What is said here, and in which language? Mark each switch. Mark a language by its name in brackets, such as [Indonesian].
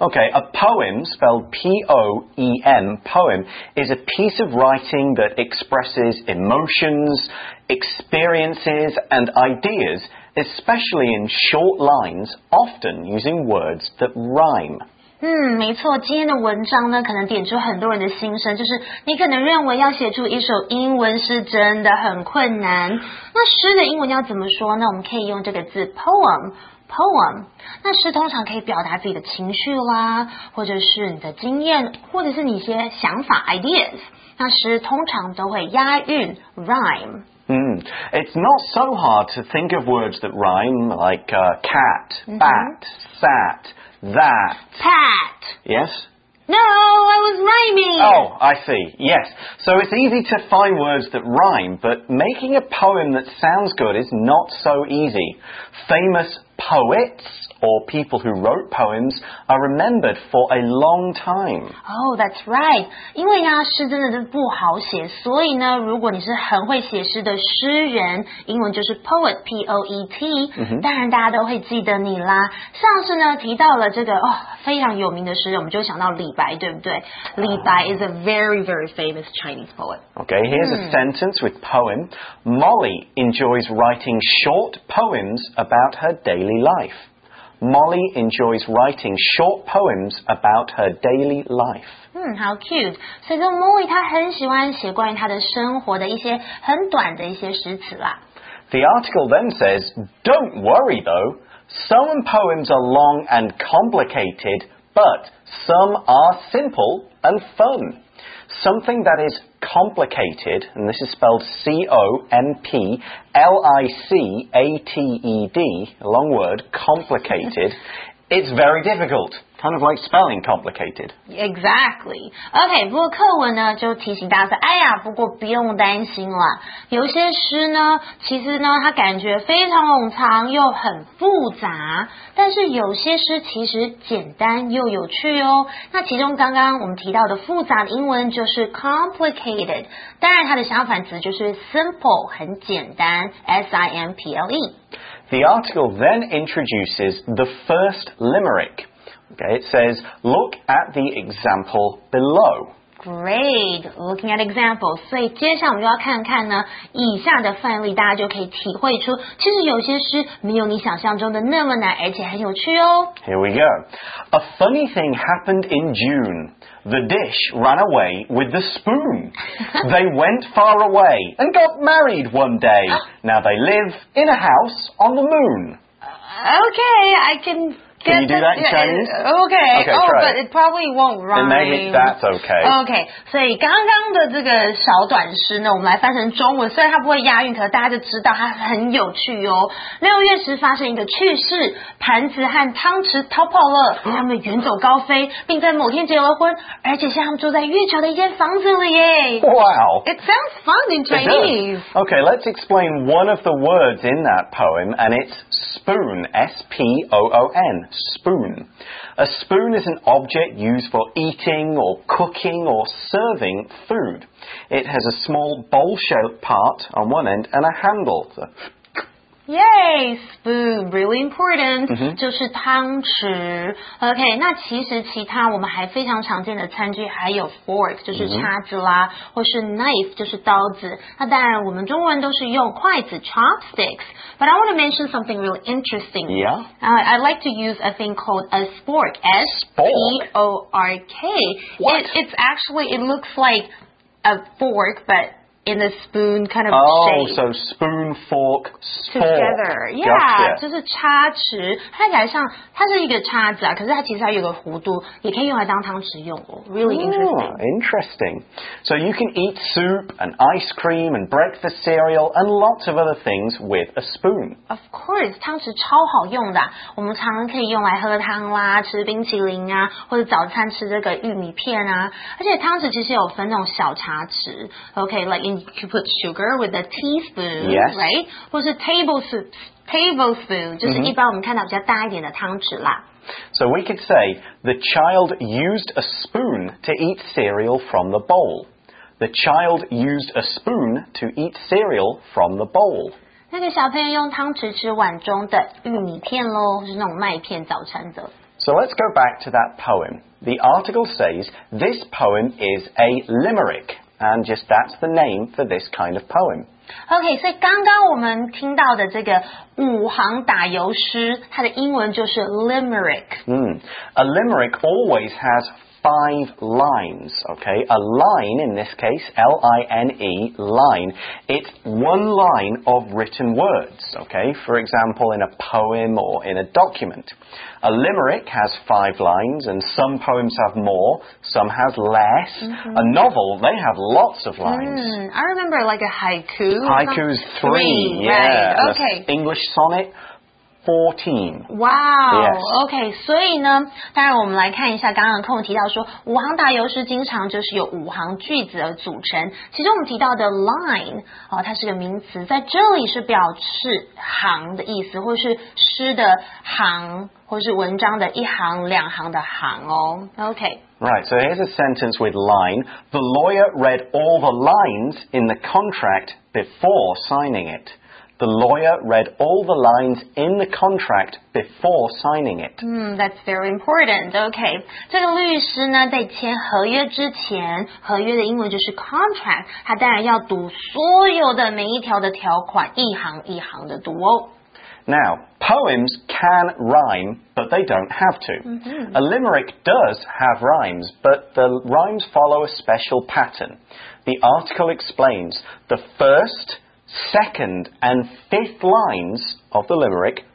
[English] Okay, a poem, spelled P-O-E-M, poem, is a piece of writing that expresses emotions, experiences, and ideas, especially in short lines, often using words that rhyme. [Chinese] 没错，今天的文章呢，可能点出很多人的心声，就是你可能认为要写出一首英文是真的很困难。那诗的英文要怎么说呢？我们可以用这个字 poem。 Poem， 那诗通常可以表达自己的情绪啦，或者是你的经验，或者是你一些想法 ideas。那诗通常都会押韵 rhyme。 [English] It's not so hard to think of words that rhyme like cat, bat, sat, that. Pat! Yes? No, I was rhyming! Oh, I see. Yes. So it's easy to find words that rhyme, but making a poem that sounds good is not so easy. Famous poets or people who wrote poems are remembered for a long time. Oh, that's right. [Chinese] 因为呢，诗真的是不好写，所以呢，如果你是很会写诗的诗人，英文就是 poet, P-O-E-T,、 mm-hmm. 当然大家都会记得你啦。上次呢，提到了这个哦，非常有名的诗人，我们就想到李白，对不对？ [English] 李白 is a very, very famous Chinese poet. Okay, here's a sentence with poem. Molly enjoys writing short poems about her daily life. Molly enjoys writing short poems about her daily life. How cute. [Chinese] 所以说 Molly 她很喜欢写关于她的生活的一些很短的一些诗词啦。 [English] The article then says, don't worry though, Some poems are long and complicated, but some are simple and fun. Something that is complicated, and this is spelled C-O-M-P-L-I-C-A-T-E-D, a long word, complicated, it's very difficult. Kind of like spelling complicated. Exactly. [Chinese] Okay, 不过课文呢就提醒大家说，哎呀，不过不用担心啦。有些诗呢，其实呢，它感觉非常冗长又很复杂，但是有些诗其实简单又有趣哦。那其中刚刚我们提到的复杂的英文就是 complicated， 当然它的相反词就是 simple， 很简单 ，S-I-M-P-L-E。 [English] The article then introduces the first limerick. Okay, it says, look at the example below. Great, looking at examples. [Chinese] 所以接下来我们就要看看呢，以下的范例大家就可以体会出，其实有些诗没有你想象中的那么难，而且很有趣哦。 [English] Here we go. A funny thing happened in June. The dish ran away with the spoon. They went far away and got married one day. Now they live in a house on the moon. Okay, I can... Can you do that in Chinese? Okay, but it probably won't rhyme. Maybe that's okay. [Chinese] Okay, 所以刚刚的这个小短诗呢，我们来翻成中文。虽然它不会押韵，可大家就知道它很有趣哦。六月时发生一个趣事，盘子和汤匙逃跑了，他们远走高飞，并在某天结了婚，而且现在他们住在月球的一间房子里耶。 [English] Wow! It sounds fun in Chinese. Okay, let's explain one of the words in that poem, and it's spoon, S-P-O-O-N. Spoon. A spoon is an object used for eating or cooking or serving food. It has a small bowl-shaped part on one end and a handle. So... Yay! Spoon. Really important.、Mm-hmm. [Chinese] 就是汤匙。 Okay, 那其实其他我们还非常常见的餐具还有 fork, 就是叉子啦、mm-hmm. 或是 knife, 就是刀子。那当然我们中文都是用筷子 chopsticks. [English] But I want to mention something really interesting. Yeah? I like to use a thing called a spork. S-P-O-R-K. S-P-O-R-K. What? It looks like a fork, but... in a spoon kind of shape. Oh, so spoon, fork, spork. Together. Yeah,、 [Chinese] 就是叉匙。它看起来像它是一个叉子啊，可是它其实还有个弧度，也可以用来当汤匙用哦。 [English] Really interesting. Ooh, interesting. So you can eat soup and ice cream and breakfast cereal and lots of other things with a spoon. Of course, [Chinese] 汤匙超好用的、啊。我们常常可以用来喝汤啦，吃冰淇淋啊，或者早餐吃这个玉米片啊。而且汤匙其实有分那种小叉匙。 [English] Okay, like,And you can put sugar with a teaspoon, yes. right? [Chinese] 或是 tablespoon, 就是一般我们看到比较大一点的汤匙啦。 [English] So we could say, the child used a spoon to eat cereal from the bowl. The child used a spoon to eat cereal from the bowl. [Chinese] 那个小朋友用汤匙吃碗中的玉米片咯，就是那种麦片早餐的。 [English] So let's go back to that poem. The article says, this poem is a limerick. And just that's the name for this kind of poem. [Chinese] Okay, 所以刚刚我们听到的这个五行打油诗，它的英文就是 limerick. [English] A limerick always has five lines, okay? A line, in this case, L-I-N-E, line, it's one line of written words, okay? For example, in a poem or in a document. A limerick has five lines, and some poems have more, some have less. Mm-hmm. A novel, they have lots of lines. I remember, like, a haiku. Haiku's three, yeah. Right. Okay. English sonnet. 14. Wow,、 yes. [Chinese] okay, 所以呢当然我们来看一下刚刚的课文提到说五行打油诗经常就是有五行句子而组成其中我们提到的 line,、哦、它是个名词在这里是表示行的意思或是诗的行或是文章的一行两行的行哦 okay. [English] Right, so here's a sentence with line. The lawyer read all the lines in the contract before signing it. The lawyer read all the lines in the contract before signing it. That's very important. Okay. [Chinese] 这个律师呢在签合约之前合约的英文就是 contract. 他当然要读所有的每一条的条款一行一行的读哦。 [English] Now, poems can rhyme, but they don't have to.、 Mm-hmm. A limerick does have rhymes, but the rhymes follow a special pattern. The article explains the first...second and fifth lines of the limerick